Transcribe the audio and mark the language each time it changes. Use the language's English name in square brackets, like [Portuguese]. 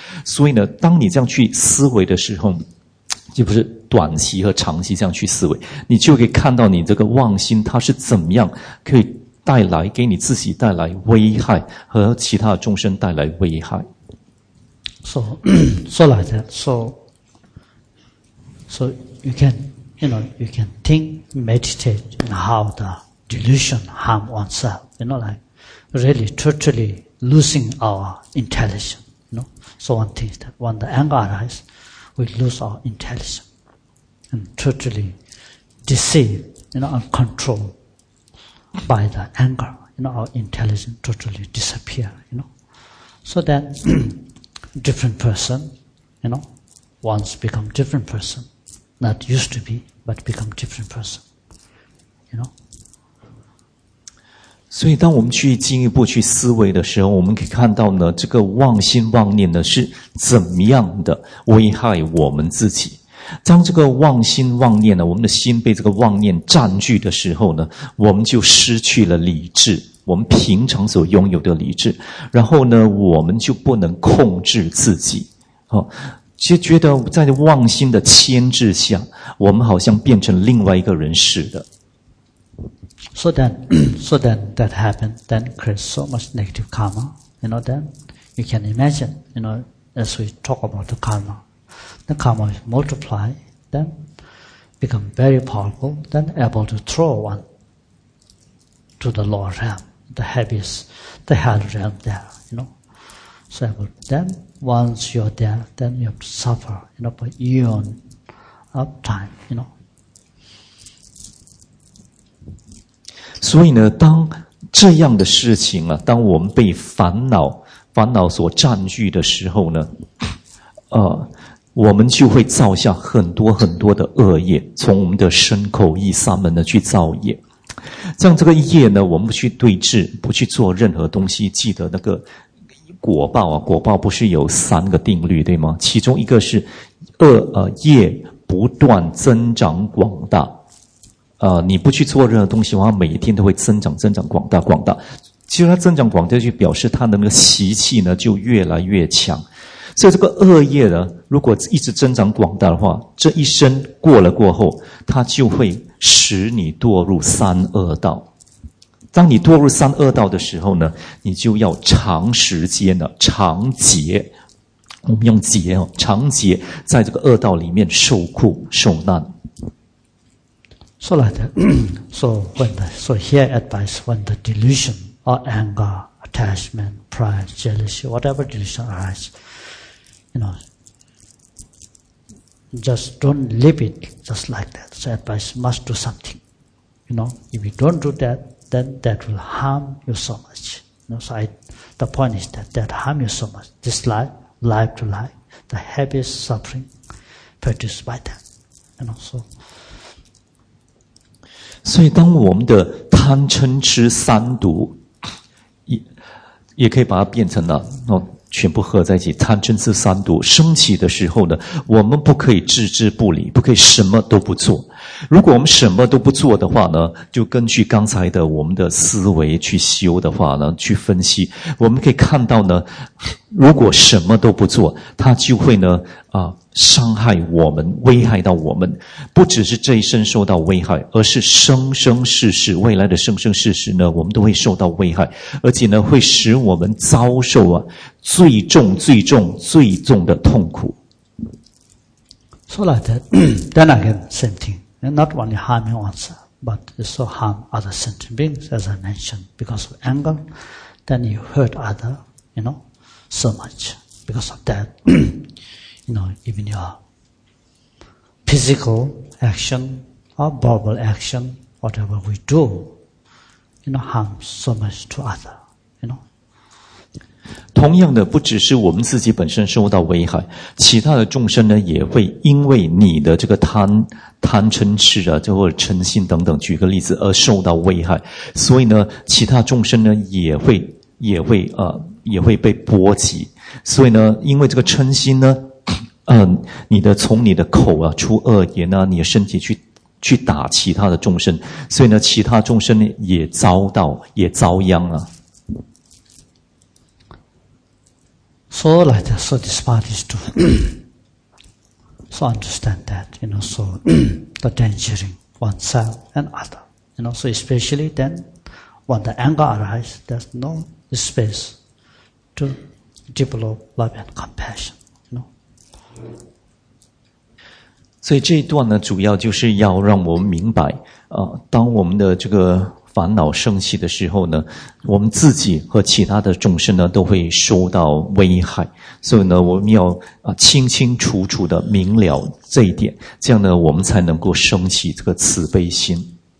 [Chinese] 所以呢，当你这样去思维的时候，就不是短期和长期这样去思维，你就可以看到你这个妄心它是怎么样可以带来给你自己带来危害和其他众生带来危害。 [English] So like that. So you can, you know, you can think, meditate on how the delusion harm oneself, you know, like really totally losing our intelligence, you know. So one thing is that when the anger arises,we lose our intelligence and totally deceive, you know, and control by the anger, you know, our intelligence totally disappear, you know. So then, different person, you know, once become different person, not used to be, but become different person, you know. [Chinese] 所以当我们去进一步去思维的时候，我们可以看到呢，这个妄心妄念呢是怎么样的危害我们自己。当这个妄心妄念呢，我们的心被这个妄念占据的时候呢，我们就失去了理智，我们平常所拥有的理智，然后呢我们就不能控制自己，就觉得在妄心的牵制下，我们好像变成另外一个人似的。 [English] So then that happened, then creates so much negative karma, you know, then you can imagine, you know, as we talk about the karma is multiplied, then become very powerful, then able to throw one to the lower realm, the heaviest, the hell realm there, you know. So then once you're there, then you have to suffer, you know, for eon of time, you know. [Chinese] 所以呢，当这样的事情啊，当我们被烦恼所占据的时候呢，我们就会造下很多很多的恶业，从我们的身口意三门呢去造业。像这个业呢，我们不去对治，不去做任何东西，记得那个果报啊，果报不是有三个定律对吗？其中一个是恶业不断增长广大，你不去做任何东西的话，每一天都会增长增长广大广大。其实它增长广大就表示它的那个习气呢就越来越强。所以这个恶业呢，如果一直增长广大的话，这一生过了过后，它就会使你堕入三恶道。当你堕入三恶道的时候呢，你就要长时间的长劫，我们用劫哦，长劫在这个恶道里面受苦受难。 [English] So like, so when the, so here advice, when the delusion or anger, attachment, pride, jealousy, whatever delusion arise, you know, just don't leave it just like that. So advice must do something. You know, if you don't do that, then that will harm you so much. You know, so the point is that harm you so much. This life to life, the heaviest suffering produced by that. You know, so. [Chinese] 所以当我们的贪嗔痴三毒，也可以把它变成了全部合在一起，贪嗔痴三毒升起的时候呢，我们不可以置之不理，不可以什么都不做。如果我们什么都不做的话呢，就根据刚才的我们的思维去修的话呢，去分析，我们可以看到呢，如果什么都不做，它就会呢伤害我们，危害到我们，不只是这一生受到危害，而是生生世世，未来的生生世世呢，我们都会受到危害，而且呢，会使我们遭受啊最重、最重、最重的痛苦。 [English] So like that, then again, same thing. Not only harming oneself, but also harm other sentient beings, as I mentioned, because of anger, then you hurt other, you know, so much because of that. You know, even your physical action or verbal action, whatever we do, you know, harms so much to other, you know. [Chinese] 同样的，不只是我们自己本身受到危害，其他的众生呢，也会因为你的这个贪嗔痴啊，或者嗔心等等，举个例子，而受到危害。所以呢，其他众生呢，也会被波及。所以呢，因为这个嗔心呢，你的从你的口啊出恶言啊，你的身体去打其他的众生，所以呢，其他众生也遭殃啊。 [English] So like that, so this part is to so understand that, you know, so the danger oneself and other, you know, so especially then when the anger arises, there's no space to develop love and compassion. [Chinese] 所以这一段呢，主要就是要让我们明白，当我们的这个烦恼升起的时候呢，我们自己和其他的众生呢，都会受到危害。所以呢，我们要清清楚楚的明了这一点，这样呢，我们才能够升起这个慈悲心。